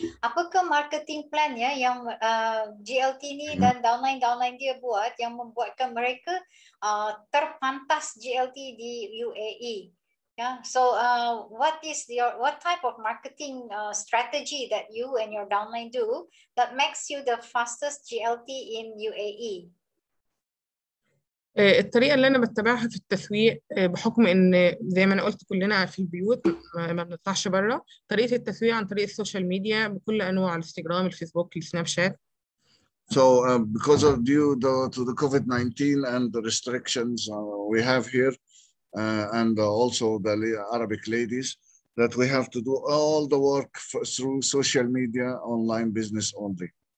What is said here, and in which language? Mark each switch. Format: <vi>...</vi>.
<ms>Apakah marketing plan ya yang GLT ni dan downline-downline dia buat yang membuatkan mereka terpantas GLT di UAE? Yeah.</ms> <en>So, what type of marketing strategy that you and your downline do that makes you the fastest GLT in UAE?</en> <ar>الطريقة اللي أنا بتبعها في التسويق بحكم إن زي ما أنا قلت كلنا في البيوت ما بنطلعش برا، طريقة التسويق عن طريق السوشيال ميديا بكل أنواع الانستجرام الفيسبوك السناب شات.</ar> <en>So because of due to the COVID-19 and the restrictions we have here and also the Arabic ladies that we have to do all the work through social media online business only.</en>